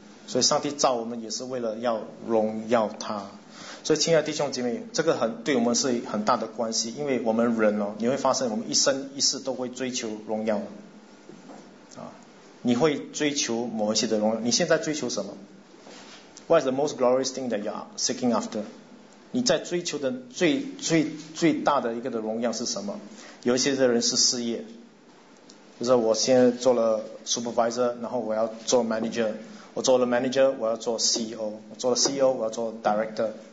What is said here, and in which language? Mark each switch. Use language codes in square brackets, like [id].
[zh] 所以上帝造我们也是为了要荣耀他。所以亲爱的弟兄姐妹，这个很对我们是很大的关系，因为我们人哦，你会发现我们一生一世都会追求荣耀啊，你会追求某一些的荣耀。你现在追求什么？ [en] What is the most glorious thing that you are seeking after? [zh] 你在追求的最大的一个的荣耀是什么？有一些的人是事业，就是我现在做了 supervisor， 然后我要做 manager， 我做了 manager， 我要做 CEO， 我做了 CEO， 我要做 director。